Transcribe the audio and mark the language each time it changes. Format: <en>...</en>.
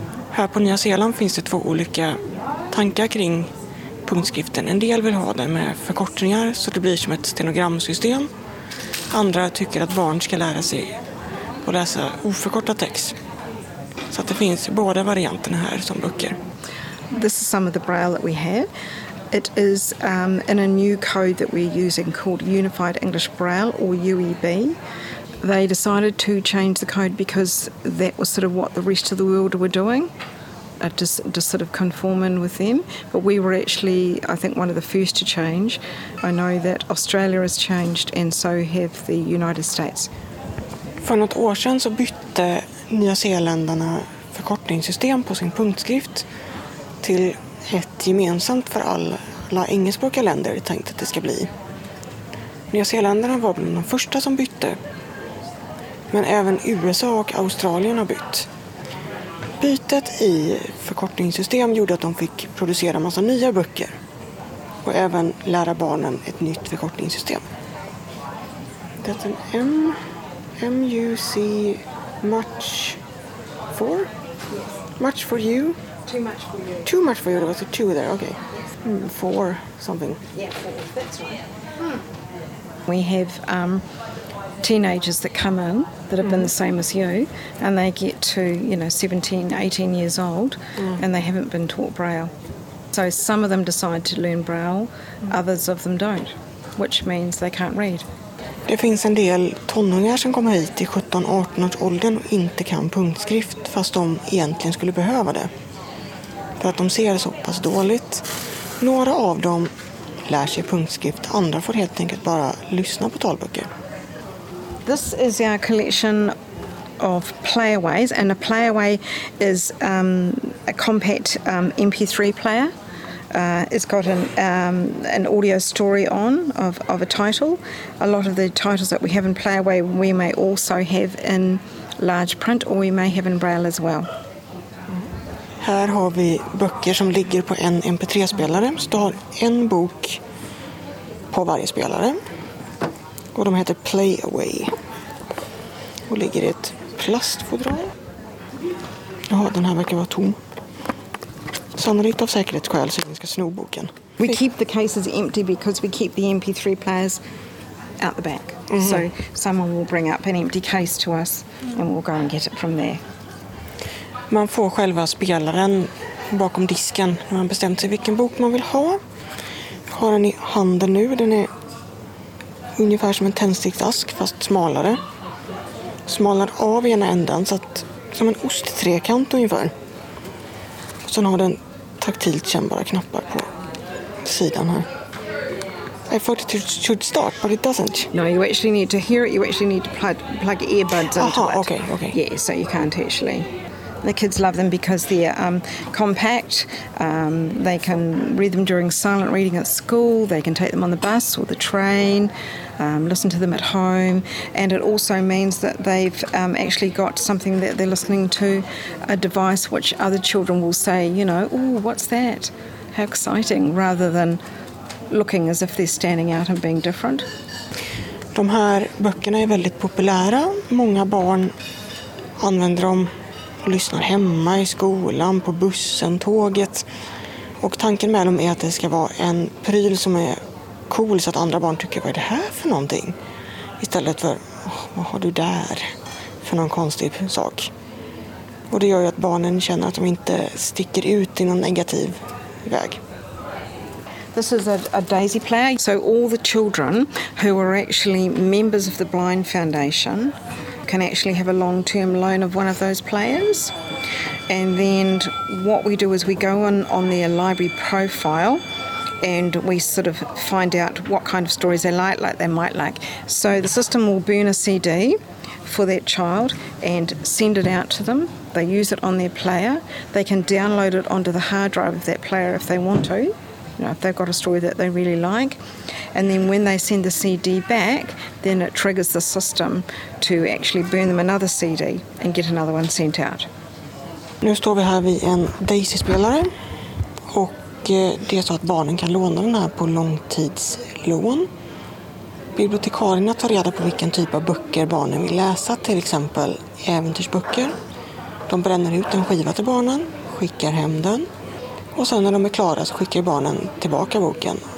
<sv>Här på Nya Zeeland finns det 2 olika tankar kring punktskriften. En del vill ha den med förkortningar så det blir som ett stenogramsystem. Andra tycker att barn ska lära sig och läsa oförkortad text. Så att det finns båda varianterna här som böcker.</sv> <en>This is some of the braille that we have. It is in a new code that we're using called Unified English Braille, or UEB. They decided to change the code because that was sort of what the rest of the world were doing. Just sort of conform in with them. But we were actually, I think, one of the first to change. I know that Australia has changed and so have the United States.</en> <sv>För något år sedan så bytte Nya Zeeländarna förkortningssystem på sin punktskrift till ett gemensamt för alla engelskspråkiga länder tänkt att det ska bli. Nya Zeeländarna var bland de första som bytte. Men även USA och Australien har bytt. Bytet i förkortningssystem gjorde att de fick producera massa nya böcker. Och även lära barnen ett nytt förkortningssystem. Det är en M-U-C,</sv> <en>much for? Yes. Much for you? Too much for you. Too much for you, there was a two there, okay. Four something. Yeah, four, that's right. We have teenagers that come in that have been the same as you, and they get to, you know, 17, 18 years old, and they haven't been taught Braille. So some of them decide to learn Braille, others of them don't, which means they can't read.</en> <sv>Det finns en del tonåringar som kommer hit i 17-18 års åldern och inte kan punktskrift fast de egentligen skulle behöva det. För att de ser så pass dåligt. Några av dem lär sig punktskrift, andra får helt enkelt bara lyssna på talböcker.</sv> <en>This is our collection of playaways, and a playaway is a compact MP3 player. It's got an audio story on of a title. A lot of the titles that we have in Playaway we may also have in large print, or we may have in braille as well.</en> <sv>Här har vi böcker som ligger på en MP3-spelare. Så du har en bok på varje spelare. Och de heter Playaway. Och ligger i ett plastfodral. Ja, den här verkar vara tom. Sannolikt av säkerhetsskäl så vi ska sno boken.</sv> <en>We keep the cases empty because we keep the MP3 players out the back. Mm-hmm. So someone will bring up an empty case to us and we'll go and get it from there.</en> <sv>Man får själva spelaren bakom disken när man bestämt sig vilken bok man vill ha. Jag har den i handen nu. Den är ungefär som en tändsticksask fast smalare. Smalnar av ena änden så att som en osttrekant ungefär. Sen har den taktilt kännbara knappar på sidan här.</sv> <en>I thought it should start, but it doesn't. No, you actually need to hear it. You actually need to plug earbuds into it. Aha, okay. Yeah, so you can't actually. The kids love them because they're compact. They can read them during silent reading at school. They can take them on the bus or the train, listen to them at home. And it also means that they've actually got something that they're listening to, a device which other children will say, you know, oh, what's that? How exciting, rather than looking as if they're standing out and being different.</en> <sv>De här böckerna är väldigt populära. Många barn använder dem och lyssnar hemma, i skolan, på bussen, tåget. Och tanken med dem är att det ska vara en pryl som är cool så att andra barn tycker, vad är det här för någonting? Istället för, vad har du där för någon konstig sak? Och det gör ju att barnen känner att de inte sticker ut i någon negativ väg.</sv> <en>This is a daisy player. So all the children who are actually members of the Blind Foundation can actually have a long-term loan of one of those players. And then what we do is we go in on their library profile and we sort of find out what kind of stories they like they might like. So the system will burn a CD for that child and send it out to them. They use it on their player. They can download it onto the hard drive of that player if they want to, you know, if they've got a story that they really like. And then when they send the CD back, then it triggers the system to actually burn them another CD and get another one sent out.</en> <sv>Nu står vi här vid en Daisy-spelare och det är så att barnen kan låna den här på långtidslån. Bibliotekarierna tar reda på vilken typ av böcker barnen vill läsa, till exempel äventyrsböcker. De bränner ut en skiva till barnen, skickar hem den och sen när de är klara så skickar barnen tillbaka boken.</sv>